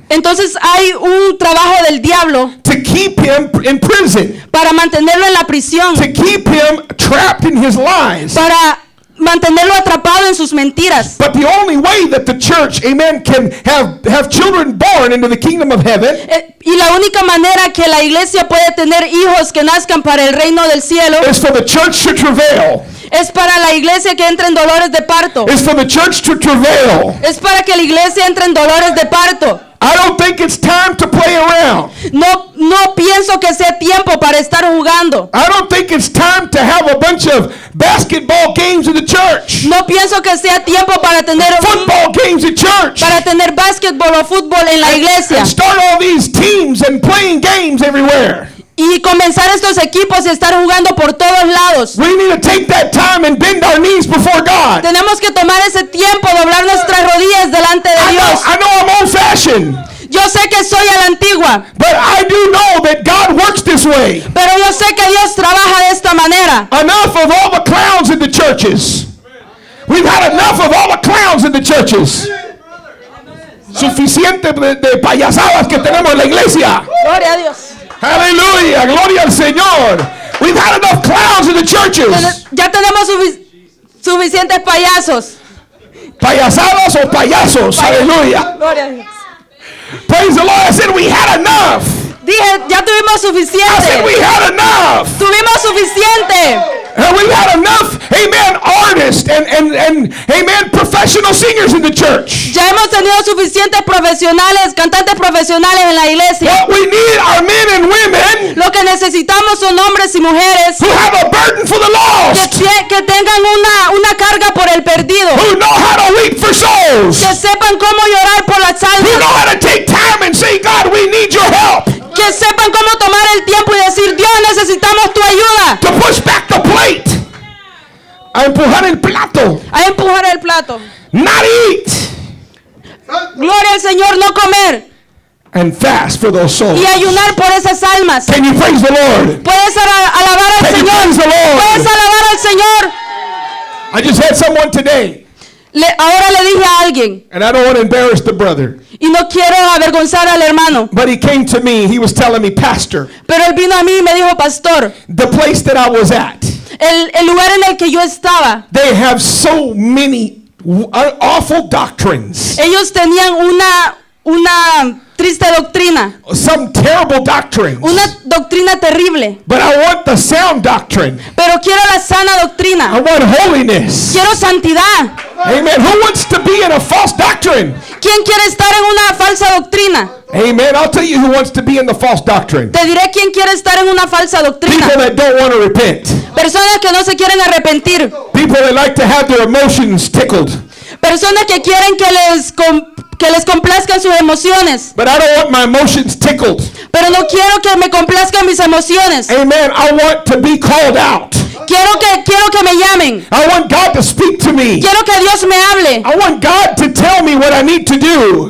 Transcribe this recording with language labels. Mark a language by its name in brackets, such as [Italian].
[Spanish] Entonces hay un trabajo del diablo. [English] To keep him in prison. [Spanish] Para mantenerlo en la prisión. [English] To keep him trapped in his lies. [Spanish] Para mantenerlo atrapado en sus mentiras. [English] But the only way that the church, amen, can have children born into the kingdom of heaven. [Spanish] Y la única manera que la iglesia puede tener hijos que nazcan para el reino del cielo. [English] Is for the church to travail. [Spanish] Es para la iglesia que entre en dolores de parto. [English] Is for the church to travail. [Spanish] Es para que la iglesia entre en dolores de parto. [English] I don't think it's time to play around. [Spanish] No pienso que sea tiempo para estar jugando. [English] I don't think it's time to have a bunch of basketball games in the church. [Spanish] No pienso que sea tiempo para tener [English] football games in church. [Spanish] Para tener basketball o fútbol en la iglesia. [English] And start all these teams and playing games everywhere. [Spanish] Y comenzar estos equipos y estar jugando por todos lados. [English] We need to take that time and bend our knees before God. [Spanish] Tenemos que tomar ese tiempo, doblar nuestras rodillas delante de Dios. [English] I know I'm old-fashioned. [Spanish] Yo sé que soy a la antigua. [English] But I do know that that God works this way. [Spanish] Pero yo sé que Dios trabaja de esta manera. [English] Enough of all the clowns in the churches. Amen. We've had enough of all the clowns in the churches. Amen. [Spanish] Suficiente de payasadas que tenemos en la iglesia. Gloria a Dios. Hallelujah. Gloria al Señor. [English] We've had enough clowns in the churches. [Spanish] Ya tenemos suficientes payasos. Payasadas o payasos. Hallelujah. Gloria a Dios. [English] Praise the Lord. I said we had enough. [Spanish] Dije, ya tuvimos suficiente. [English] I said we had enough. [Spanish] Tuvimos suficiente. [English] And we had enough, amen, artists and amen, professional singers in the church. [Spanish] Ya hemos tenido suficientes profesionales, cantantes profesionales en la iglesia. [English] What we need are men and women. [Spanish] Lo que necesitamos son hombres y mujeres. [English] Who have a burden for the lost. [Spanish] Que tengan una carga por el perdido. [English] Who know how to weep for souls. [Spanish] Que sepan cómo llorar por las almas. [English] Who know how to take time and say, God, we need your help. [Spanish] Que sepan cómo tomar el tiempo y decir, Dios, necesitamos tu ayuda. [English] To push back the plate. [Spanish] A empujar el plato. A empujar el plato. [English] Not eat. [Spanish] Gloria al Señor, no comer. [English] And fast for those souls. [Spanish] Y ayunar por esas almas. [English] Can you praise the Lord? [Spanish] Puedes alabar al Señor. [English] Can you praise the Lord? [Spanish] Puedes alabar al Señor. [English] I just had someone today. [Spanish] Ahora le dije a alguien. [English] And I don't want to embarrass the brother. [Spanish] Y no quiero avergonzar al hermano. [English] But he came to me. He was telling me, Pastor. [Spanish] Pero él vino a mí y me dijo, Pastor. [English] The place that I was at. [Spanish] El lugar en el que yo estaba. [English] They have so many awful doctrines. [Spanish] Ellos tenían una triste doctrina. [English] Some terrible doctrines. [Spanish] Una doctrina terrible. [English] But I want the sound doctrine. [Spanish] Pero quiero la sana doctrina. [English] I want holiness. [Spanish] Quiero santidad. [English] Amen. Who wants to be in a false doctrine? [Spanish] ¿Quién quiere estar en una falsa doctrina? [English] Amen. I'll tell you who wants to be in the false doctrine. [Spanish] Te diré quién quiere estar en una falsa doctrina. [English] People that don't want to repent. [Spanish] Personas que no se quieren arrepentir. [English] People that like to have their emotions tickled. [Spanish] Personas que quieren que les complazcan sus emociones. [English] But I don't want my emotions tickled. [Spanish] Pero no quiero que me complazcan mis emociones. [English] Amen. I want to be called out. [Spanish] Quiero que me llamen. [English] I want God to speak to me. [Spanish] Quiero que Dios me hable. [English] I want God to tell me what I need to do.